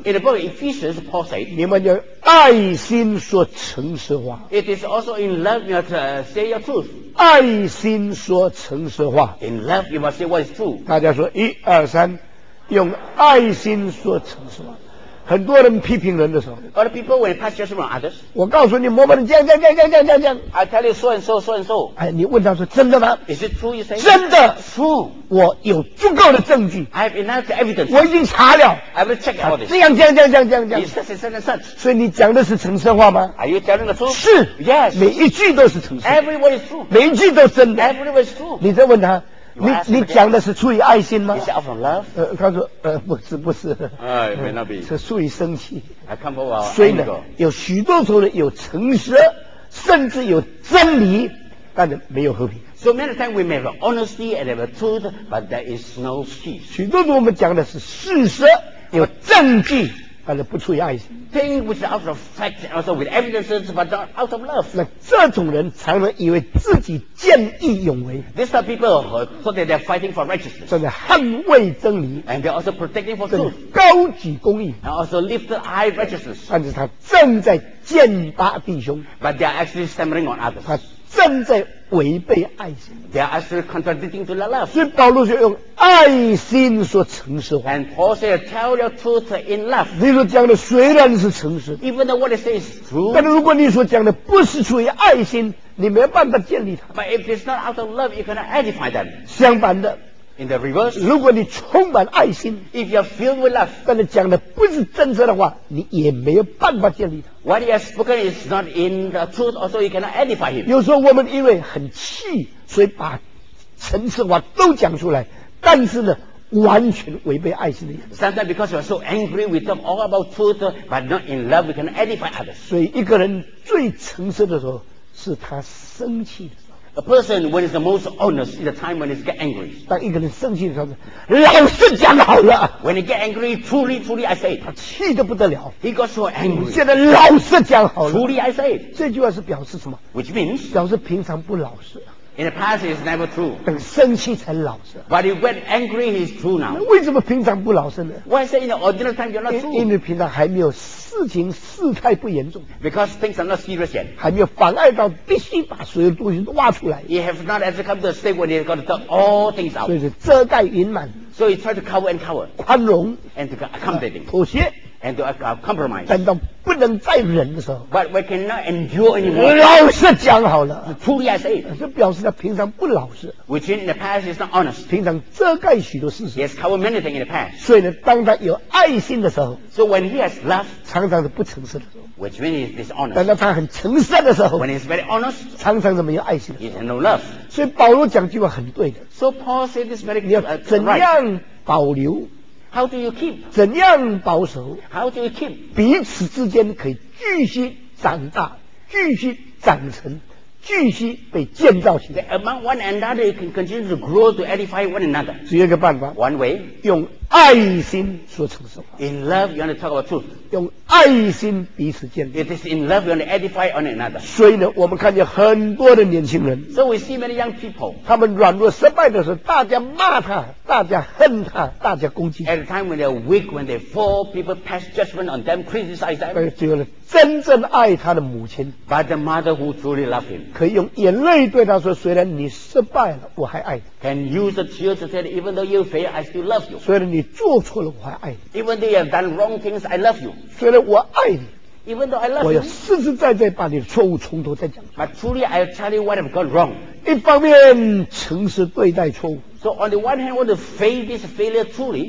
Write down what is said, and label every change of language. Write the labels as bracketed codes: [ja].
[en] In the book of Ephesians, Paul said, [zh] 你们要爱心说诚实话。 [en] It is also in love you to say your truth. [zh] 爱心说诚实话。 [en] In love, you must say what is true. [zh] 大家说一二三，用爱心说诚实话。很多人批评人的时候 [en] ，other people when pass judgment on others. [zh] 我告诉你，某某人这样。 [en] I tell you so and so, so and so. [zh] 哎，你问他说真的吗 [en] ？Is it true? You say [zh] 真的 [en] ？True. [zh] 我有足够的证据。 [en] I have enough evidence. [zh] 我已经查了。 [en] I will check all this. [zh] 这样。 [en] Is such and such and such. [zh] 所以你讲的是诚实话吗 [en] ？Are you telling the truth? [zh] 是。 [en] Yes. [zh] 每一句都是诚实。 [en] Every word is true. [zh] 每一句都真的。 [en] Every word is true. [zh] 你再问他。你讲的是出于爱心吗？你是 [en] out from love？ [zh] 他说不是。 [en] It may not be。 [zh] 是出于生气。 [en] I come from our anger。 [zh] 所以呢，有许多时候呢，有诚实，甚至有真理，但是没有和平。 [en] So many times we may have honesty and have truth, but there is no peace。 [zh] 许多时候我们讲的是事实，有证据，但是不出于爱心。 [en] Things which are out of fact, also with evidences, but not out of love. [zh] 那这种人常常以为自己见义勇为。 [en] These are people who thought that they're fighting for righteousness. [zh] 正在捍卫真理。 [en] And they're also protecting for truth. [zh] 高举公义。 [en] And also lift high righteousness. [zh] 但是他正在践踏弟兄。 [en] But they are actually stammering on others. [zh] 他正在违背爱心。 [en] They are actually contradicting to the love. [zh] 所以保罗就用爱心说诚实话。 [en] And Paul said, tell your truth in love. [zh] 你所讲的虽然是诚实。 [en] Even though what it says is true. [zh] 但如果你所讲的不是出于爱心，你没办法建立它。 [en] But if it's not out of love, you cannot edify them. [zh] 相反的。 [en] In the reverse. [zh] 如果你充满爱心。 [en] If you're filled with love. [zh] 但你讲的不是真实的话，你也没有办法建立它。 [en] What he has spoken is not in the truth, also you cannot edify him. [zh] 有时候我们因为很气，所以把诚实话都讲出来，但是呢，完全违背爱心的意思。 [en] Sometimes because you are so angry, we talk all about truth, but not in love, we cannot edify others. [zh] 所以一个人最诚实的时候，是他生气的时候。 [en] A person when is the most honest is the time when he gets angry. [zh] 当一个人生气的时候，老实讲好了。 [en] When he gets angry, truly, I say, [zh] 他气得不得了。 [en] He got so angry. [zh] 现在老实讲好了。 [en] Truly, I say. [zh] 这句话是表示什么 [en] ？Which means [zh] 表示平常不老实。 [en] In the past, it's never true. [zh] 等生气才老实。 [en] But if when angry, he's true now. [zh] 为什么平常不老实呢 [en] ？Why say in the ordinary time you're not true? [zh] 因为平常还没有事情事态不严重。 [en] Because things are not serious yet. [zh] 还没有妨碍到必须把所有东西都挖出来。 [en] You have not as come to a state when you've got to talk all things out. [zh] 所以是遮盖隐瞒。 [en] So you try to cover and cover. [zh] 宽容。 [en] And to accommodating. [zh] 妥协。 [en] And to compromise. [zh] 等到不能再忍的时候 [en] ，But we cannot endure anymore. [zh] 老实讲好了 [en] ，Truly I say. [zh] 这表示他平常不老实 [en] ，Which in the past is not honest. [zh] 平常遮盖许多事实 [en] ，Has covered many things in the past. [zh] 所以呢，当他有爱心的时候 [en] ，So when he has love, [zh] 常常是不诚实的 [en] ，Which means he's dishonest. [zh] 等到他很诚实的时候 [en] ，When he's very honest, [zh] 常常是没有爱心的 [en] ，He has no love. [zh] 所以保罗讲句话很对的 [en] ，So Paul said this very right. [zh] 你要怎样保留？ [en] How do you keep? [zh] 怎样保守 [en] How do you keep? [zh] 彼此之间可以继续长大继续长成继续被建造起来 [en] Among one another, you can continue to grow to edify one another. [zh] 只有一个办法 [en] One way. [zh] 用爱心说诚实话 [en] In love, you want to talk about truth. [zh] 用爱心彼此建立 [en] It is in love, you want to edify one another. [zh] 所以呢我们看见很多的年轻人 [en] So we see many young people. [zh] 他们软弱失败的时候大家骂他大家恨他大家攻击 [en] At a time when they are weak, when they fall, people pass judgment on them, criticize them. [zh] 而只有呢真正爱他的母亲 [en] But the mother who truly loves him. [zh] 可以用眼泪对他说虽然你失败了我还爱你 [en] Can use the tears to say that even though you fail, I still love you. [zh] 虽然你做错了我还爱你 [en] Even though you have done wrong things, I love you. [zh] 虽然我爱你 [en] Even though I love you. [zh] 我要实实在在把你的错误从头再讲 [en] But truly, I'll tell you what I've got wrong. [zh] 一方面诚实对待错误 [en] So on the one hand, I want to face this failure truly.